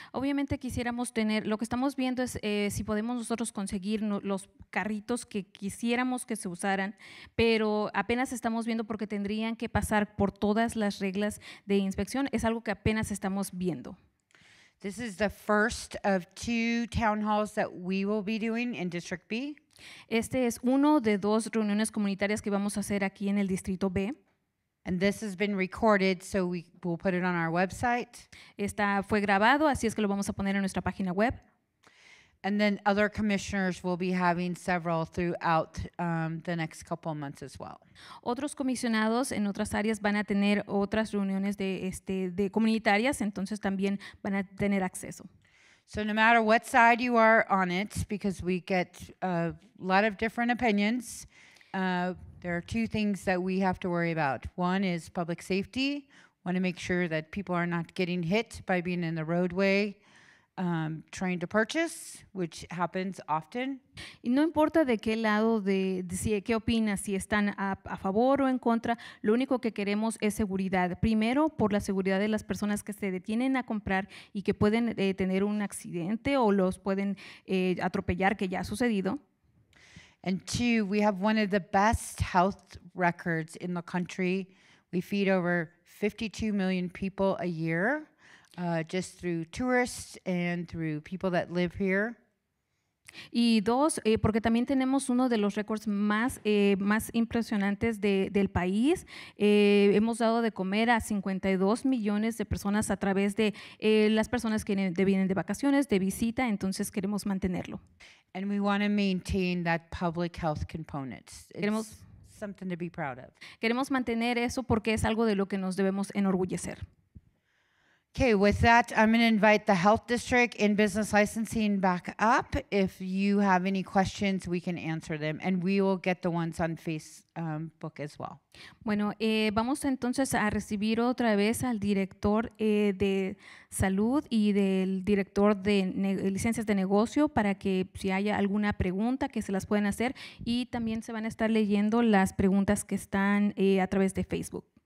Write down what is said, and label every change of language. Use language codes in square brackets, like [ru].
[es] Obviamente quisiéramos tener, lo que estamos viendo es si podemos nosotros conseguir los carritos que quisiéramos que se usaran, pero apenas estamos viendo porque tendrían que pasar por todas las reglas de inspección. Es algo que apenas estamos viendo. [en] This is the first of two town halls that we will be doing in District B. [es] Este es uno de dos reuniones comunitarias que vamos a hacer aquí en el Distrito B. [en] And this has been recorded, so we will put it on our website. [es] Esta fue grabado, así es que lo vamos a poner en nuestra página web. [en] And then other commissioners will be having several throughout the next couple months as well. [es] Otros comisionados en otras áreas van a tener otras reuniones de comunitarias, entonces también van a tener acceso. [en] So no matter what side you are on it, because we get a lot of different opinions, there are two things that we have to worry about. One is public safety. We want to make sure that people are not getting hit by being in the roadway trying to purchase, which happens often. [es] Y no importa de qué lado qué opinas, si están a favor o en contra, lo único que queremos es seguridad. Primero, por la seguridad de las personas que se detienen a comprar y que pueden tener un accidente o los pueden atropellar, que ya ha sucedido. [en] And two, we have one of the best health records in the country. We feed over 52 million people a year. Just through tourists and through people that live here. [es] Y dos, porque también tenemos uno de los récords más impresionantes del país. Hemos dado de comer a 52 millones de personas a través de las personas que vienen de vacaciones, de visita, entonces queremos mantenerlo. [en] And we want to maintain that public health component. It's something to be proud of. [es] Queremos mantener eso porque es algo de lo que nos debemos enorgullecer. [en] Okay, with that, I'm going to invite the health district and business licensing back up. If you have any questions, we can answer them, and we will get the ones on Facebook as well. [es] Bueno, vamos entonces a recibir otra vez al director de salud y del director de licencias de negocio para que si haya alguna pregunta que se las pueden hacer, y también se van a estar leyendo las preguntas que están a través de Facebook.